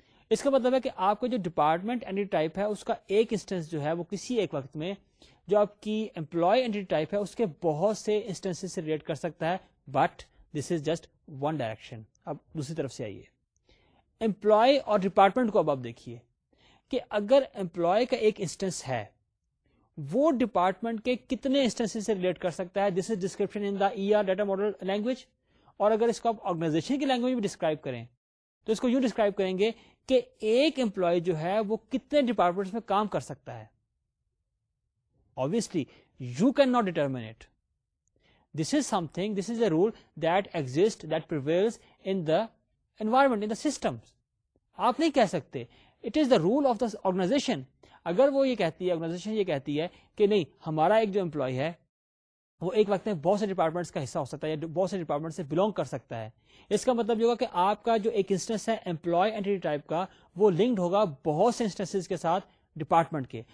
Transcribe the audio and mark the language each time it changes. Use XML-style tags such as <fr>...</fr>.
<ur>اس کا مطلب ہے کہ آپ کا جو ڈپارٹمنٹ اینی ٹائپ ہے اس کا ایک انسٹنس جو ہے وہ کسی ایک وقت میں جو آپ کی امپلائی اینی ٹائپ ہے اس کے بہت سے انسٹنسز سے ریلیٹ کر سکتا ہے.</ur> <en>But this is just one direction.</en> <ur>اب دوسری طرف سے آئیے امپلائی اور ڈپارٹمنٹ کو, اب آپ دیکھیے کہ اگر امپلائی کا ایک انسٹنس ہے وہ ڈپارٹمنٹ کے کتنے انسٹنس سے ریلیٹ کر سکتا ہے.</ur> <en>This is description in the ER data model language.</en> <ur>اور اگر اس کو آپ آرگنائزیشن کی لینگویج میں ڈسکرائب کریں تو اس کو یوں ڈسکرائب کریں گے کہ ایک امپلائی جو ہے وہ کتنے ڈپارٹمنٹ میں کام کر سکتا ہے.</ur> <en>Obviously, you cannot determine it. This is something, this is a rule that exists, that prevails in the environment, in the systems.</en> <ur>آپ نہیں کہہ سکتے,</ur> <en>it is the rule of the organization.</en> <ur>اگر وہ یہ کہتی ہے, organization یہ کہتی ہے کہ نہیں ہمارا ایک جو employee ہے وہ ایک وقت میں بہت سے ڈپارٹمنٹس کا حصہ ہو سکتا ہے یا بہت سے ڈپارٹمنٹ سے بلانگ کر سکتا ہے, اس کا مطلب یہ ہوگا کہ آپ کا جو ایک انسٹنس ہے employee entity type کا وہ linked ہوگا بہت سے instances کے ساتھ ڈپارٹمنٹ کے.</ur>